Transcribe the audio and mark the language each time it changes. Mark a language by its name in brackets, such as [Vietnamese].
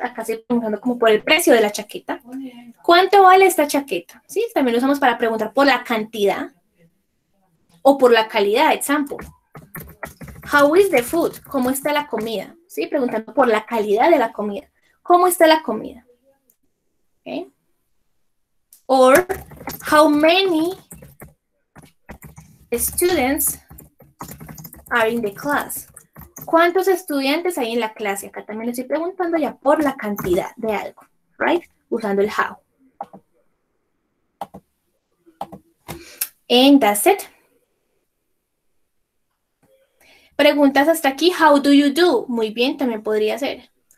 [Spanish] Acá estoy preguntando como por el precio de la chaqueta. ¿Cuánto vale esta chaqueta? Sí, también lo usamos para preguntar por la cantidad o por la calidad. [English] Example. How is the food? [Spanish] ¿Cómo está la comida? Sí, preguntando por la calidad de la comida. ¿Cómo está la comida? Okay. [English] Or, how many students are in the class? [Spanish] ¿Cuántos estudiantes hay en la clase? Acá también le estoy preguntando ya por la cantidad de algo, right? Usando el how. [English] And that's it. [Spanish] Preguntas hasta aquí, [English] how do you do? [Spanish] Muy bien, también podría ser.